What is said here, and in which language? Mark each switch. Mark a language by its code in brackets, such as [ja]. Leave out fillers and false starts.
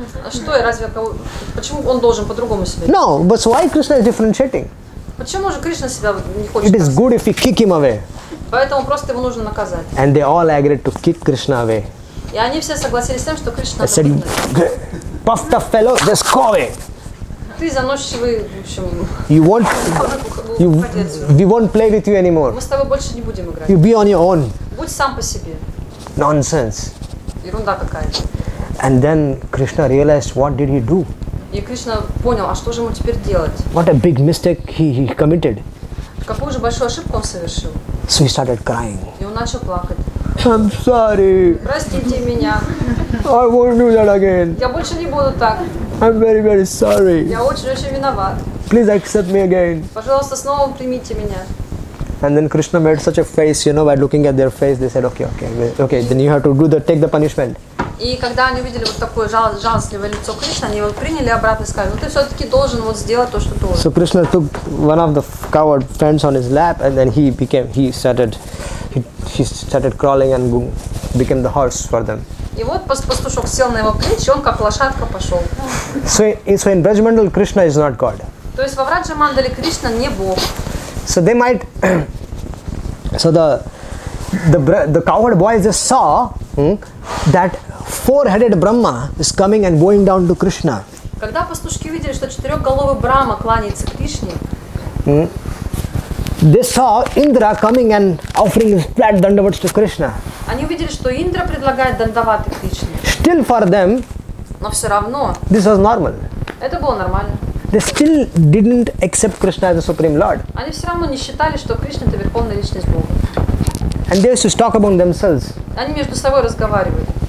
[ru] Что я, разве, почему он должен по-другому себя? [en] No, but why Krishna is differentiating? [ru] Почему же Кришна себя не хочет? [en] It is good if we kick him away. [ru] Поэтому просто его нужно наказать. [en] And they all agreed to kick Krishna away. [ru] И они все согласились с тем, что Кришна должен быть. [en] I said, puff the fellow, just go away. [ru] Ты заносчивый, в общем. [en] We won't play with you anymore. [ru] Мы с тобой больше не будем играть. [en] You be on your own. [ru] Будь сам по себе. [en] Nonsense. [ru] Ерунда какая-то. [en] And then Krishna realized, what did he do? [ru] И Кришна понял, а что же ему теперь делать? [en] What a big mistake he committed. [ru] Какую же большую ошибку он совершил? [en] So he started crying. [ru] И он начал плакать. [en] I'm sorry. [ru] Простите меня. [en] I won't do that again. [ru] Я больше не буду так. [en] I'm very, very sorry. [ru] Я очень-очень виноват. [en] Please accept me again. [ru] Пожалуйста, снова примите меня. [en] And then Krishna made such a face, you know, by looking at their face, they said, okay, then you have to take the punishment. [ru] И когда они увидели вот такое жалостливое лицо Кришны, они его приняли обратно и сказали, ну ты все-таки должен вот сделать то, что должен. [en] So Krishna took one of the coward friends on his lap, and then he started crawling and became the horse for them. [ru] И вот пастушок сел на его плечи, он как лошадка пошел. [en] So in Brajmandal, Krishna is not God. [ru] То есть во Враджамандале Кришна не Бог. [en] So they might. So the coward boys just saw that four-headed Brahma is coming and bowing down to Krishna. [ru] Когда пастушки видели, что четырехголовый Брахма кланяется Кришне. [en] They saw Indra coming and offering his flat dandavats to Krishna. [ru] Они увидели, что Индра предлагает дандаваты Кришне. [en] Still for them. [ru] Но все равно. [en] This was normal. [ru] Это было нормально. [en] They still didn't accept Krishna as the Supreme Lord. [ru] Они все равно не считали, что Кришна это верховная личность Бога. [en] And they used to talk among themselves. [ru] Они между собой разговаривали.